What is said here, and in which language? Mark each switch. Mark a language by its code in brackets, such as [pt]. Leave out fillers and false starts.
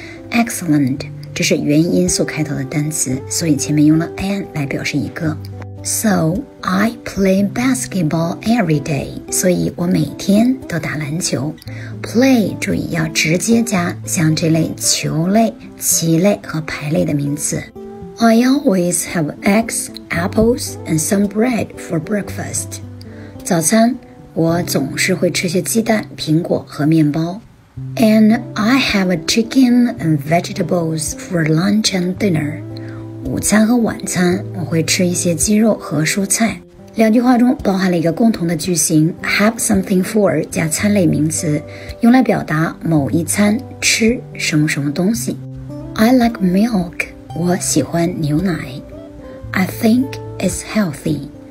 [en] Excellent, [zh] 这是元音素开头的单词，所以前面用了 an 来表示一个。 [en] So, I play basketball every day. [zh] 所以我每天都打篮球。 Play, 注意要直接加像这类球类、棋类和牌类的名词。 [en] I always have eggs, apples, and some bread for breakfast. [zh] 早餐，我总是会吃些鸡蛋、苹果和面包。 [en] And I have a chicken and vegetables for lunch and dinner. [zh] 午餐和晚餐我会吃一些鸡肉和蔬菜。两句话中包含了一个共同的句型 [en] have something for [zh] 加餐类名词，用来表达某一餐吃什么什么东西。 [en] I like milk. [zh] 我喜欢牛奶。 [en] I think it's healthy.